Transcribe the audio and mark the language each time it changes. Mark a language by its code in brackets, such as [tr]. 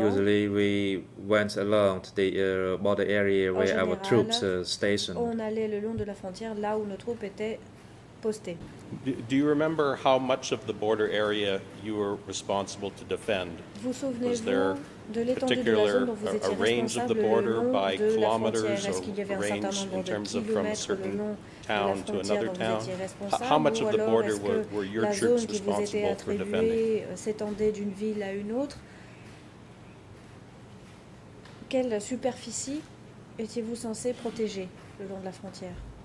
[en] usually we went along the border area where [fr] général, [en] our troops are stationed. [fr] On allait le long de la frontière là où nos troupes étaient postées. [en] Do you remember how much of the border area you were responsible to defend? [fr] Vous souvenez-vous de l'étendue de la zone dont vous étiez responsable? [en] A range of the border by kilometers or range in terms of from certain town to another town? How much of the border were your troops responsible for defending? [fr] S'étendait d'une ville à une autre. Quelle superficie étiez-vous censé protéger le long de la frontière?